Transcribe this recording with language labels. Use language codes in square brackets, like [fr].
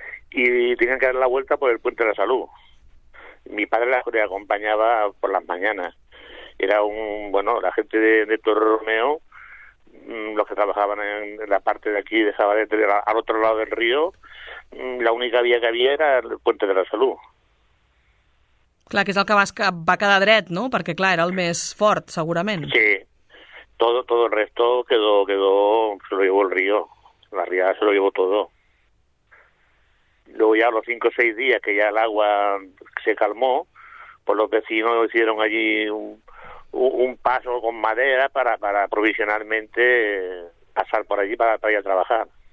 [es] Y tenían que dar la vuelta por el puente de la Salud. Mi padre las acompañaba por las mañanas. Era la gente de Torreromeu, los que trabajaban en la parte de aquí de Sabadell, al otro lado del río, la única vía que había era el puente de la Salud. [ca] Clar, que és el que va quedar dret, no? Perquè, clar, era el més fort, segurament. [es] Sí. Todo el resto quedó... Se lo llevó el río. La riada se lo llevó todo. Luego ya a los 5 o 6 días que ya el agua se calmó, pues los vecinos hicieron allí un paso con madera para provisionalmente pasar por allí para ir a trabajar.